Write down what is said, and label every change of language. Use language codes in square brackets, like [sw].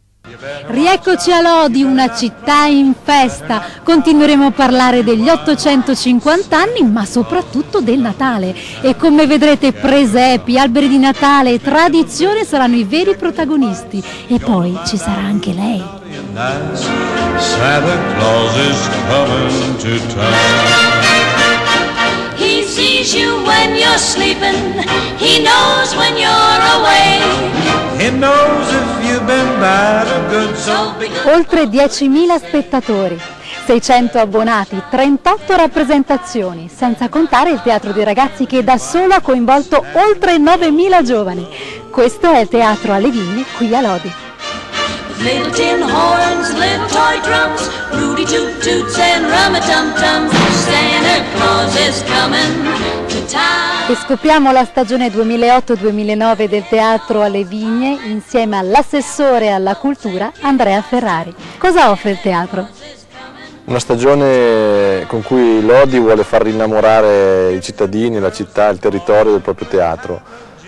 [it] Rieccoci a Lodi, una città in festa. Continueremo a parlare degli 850 anni, ma soprattutto del Natale. E come vedrete, presepi, alberi di Natale e tradizione saranno i veri protagonisti. E poi ci sarà anche lei. [en] Santa Claus is coming to town. He sees you when you're sleeping. He knows when you're away. He knows if you've been bad or good, so be good. [it] Oltre 10.000 spettatori, 600 abbonati, 38 rappresentazioni, senza contare il teatro dei ragazzi che da solo ha coinvolto oltre 9.000 giovani. Questo è il Teatro alle Vigne qui a Lodi. [en] Little tin horns, little toy drums, rooty toot toots and rummy tum tums. Santa Claus is coming to town. [it] E scopriamo la stagione 2008-2009 del Teatro alle Vigne insieme all'assessore alla cultura Andrea Ferrari. Cosa offre il teatro? Una stagione con cui Lodi vuole far rinnamorare i cittadini, la città, il territorio del proprio teatro.